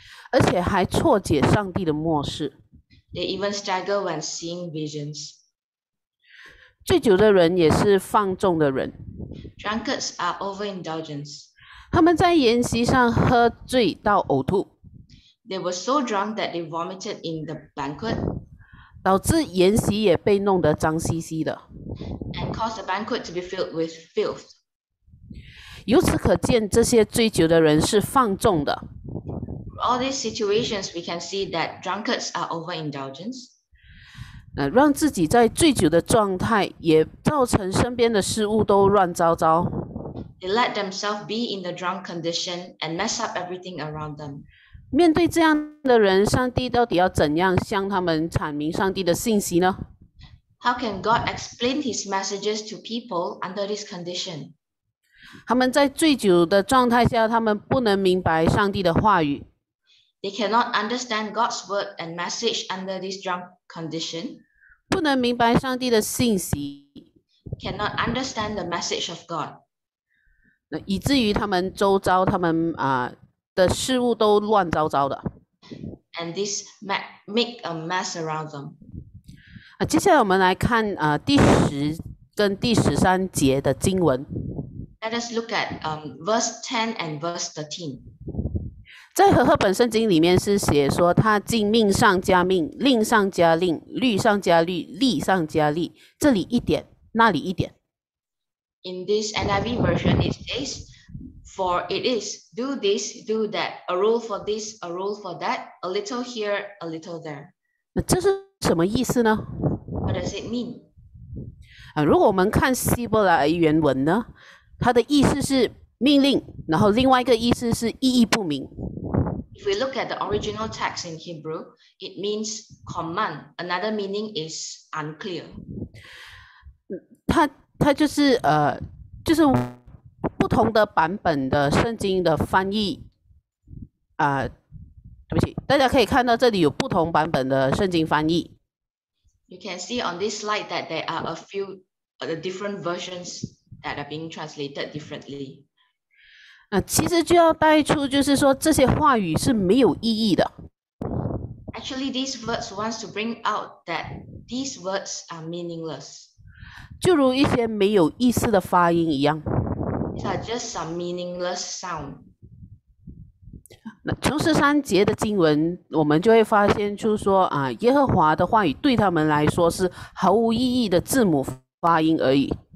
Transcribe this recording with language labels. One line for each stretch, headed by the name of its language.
Chinese: 而且还错解上帝的默示。
English: They even stagger when seeing visions.
Chinese: 醉酒的人也是放纵的人。
English: Drunkards are overindulgent.
Chinese: 他们在筵席上喝醉到呕吐。
English: They were so drunk that they vomited in the banquet.
Chinese: 导致筵席也被弄得脏兮兮的
English: ，and caused the banquet to be filled with filth.
Chinese: 由此可见，这些醉酒的人是放纵的。
English: All these situations, we can see that drunkards are overindulgent.
Chinese: 让自己在醉酒的状态，也造成身边的事物都乱糟糟。
English: They let themselves be in the drunk condition and mess up everything around them.
Chinese: 面对这样的人，上帝到底要怎样向他们阐明上帝的信息呢
English: ？How can God explain His messages to people under this condition？
Chinese: 他们在醉酒的状态下，他们不能明白上帝的话语。
English: They cannot understand God's word and message under this drunk condition。
Chinese: 不能明白上帝的信息。
English: Cannot understand the message of God。
Chinese: 以至于他们周遭，他们的事物都乱糟糟的
English: ，and this make a mess around them。
Chinese: 接下来我们来看第十跟第十三节的经文。
English: Let us look at verse 10 and verse 13。
Chinese: 在和合本圣经里面是写说，他进命上加命，令上加令，律上加律，例上加例，这里一点，那里一点。
English: In this NIV version, it says. For it is, do this, do that, a rule for this, a rule for that, a little here, a little there.
Chinese: 那这是什么意思呢
English: ？What does it mean？
Chinese: 如果我们看希伯来原文呢，它的意思是命令，然后另外一个意思是意义不明。
English: If we look at the original text in Hebrew, it means command. Another meaning is unclear.
Chinese: 它就是就是。不同的版本的圣经的翻译，对不起，大家可以看到这里有不同版本的圣经翻译。
English: You can see on this slide that there are a few the different versions that are being translated differently.
Chinese: 其实就要带出，就是说这些话语是没有意义的。
English: Actually, these words wants to bring out that these words are meaningless.
Chinese: 就如一些没有意思的发音一样。
English: These are just some meaningless sound.
Chinese: 那从十三节的经文，我们就会发现出说耶和华的话语对他们来说是毫无意义的字母发音而已。